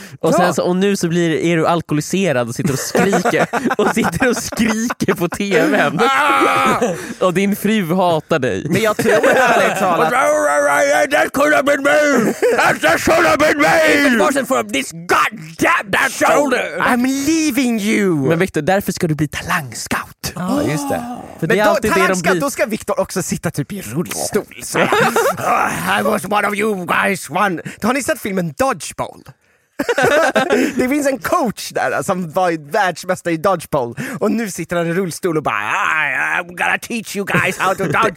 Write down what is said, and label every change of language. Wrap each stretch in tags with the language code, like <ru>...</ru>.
<sv>Och, sen så, och nu så blir är du alkoholiserad och sitter och skriker på TV:n. Och din fru hatar dig. Men jag tror ärligt talat</sv> <en>that could have been me. That should have been me. It wasn't for this goddamn bad shoulder. I'm leaving you.</en> <sv>Men Victor, därför ska du bli talangscout. Ja, just det. För men det är alltid det de blir. Då ska Victor också sitta typ i rullstol.</sv> <en>I was one of you guys one.</en> <sv>Har ni sett filmen Dodgeball? Det finns en coach där som var världsmästare i dodgeball och nu sitter han i rullstol och bara</sv> <en>I'm gonna teach you guys how to dodgeball.</en>